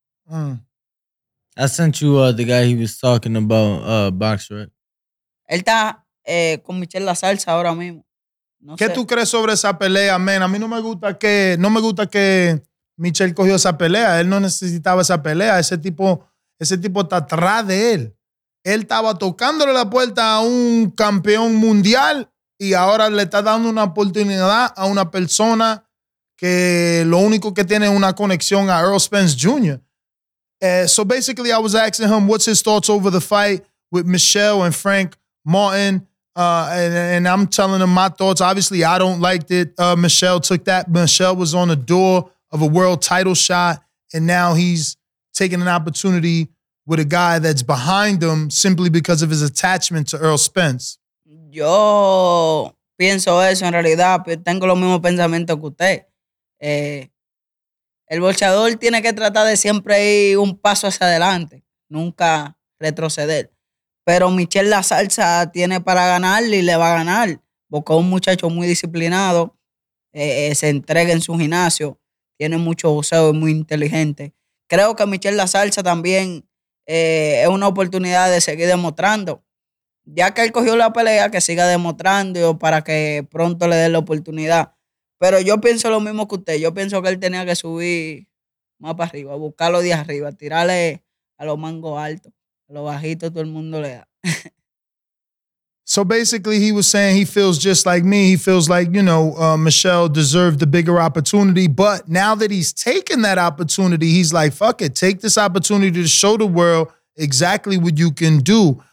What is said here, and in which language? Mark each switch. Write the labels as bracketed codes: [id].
[en] I sent you the guy he was talking about, Box, right? [es] Él está con Michelle La Salsa ahora mismo. No ¿qué sé. Tú crees sobre esa pelea, man? A mí no me gusta que Michelle cogió esa pelea. Él no necesitaba esa pelea. Ese tipo está atrás de él. Él estaba tocándole la puerta a un campeón mundial y ahora le está dando una oportunidad a una persona que lo único que tiene es una conexión a Errol Spence Jr. [en] So basically, I was asking him what's his thoughts over the fight with Michelle and Frank Martin. And I'm telling him my thoughts. Obviously, I don't like that Michelle took that. Michelle was on the door of a world title shot, and now he's taking an opportunity with a guy that's behind him simply because of his attachment to Errol Spence. [es] Yo pienso eso en realidad, pero tengo los mismos pensamientos que usted. El boxeador tiene que tratar de siempre ir un paso hacia adelante, nunca retroceder. Pero Michelle La Salsa tiene para ganarle y le va a ganar, porque es un muchacho muy disciplinado, se entrega en su gimnasio, tiene mucho boxeo, es muy inteligente. Creo que Michelle La Salsa también es una oportunidad de seguir demostrando. Ya que él cogió la pelea, que siga demostrando para que pronto le den la oportunidad. Pero yo pienso lo mismo que usted. Yo pienso que él tenía que subir más para arriba, buscarlo de arriba, tirarle a los mangos altos. A los bajitos todo el mundo le da. [en] So basically he was saying he feels just like me. He feels like, you know, Michelle deserved the bigger opportunity. But now that he's taken that opportunity, he's like, fuck it. Take this opportunity to show the world exactly what you can do.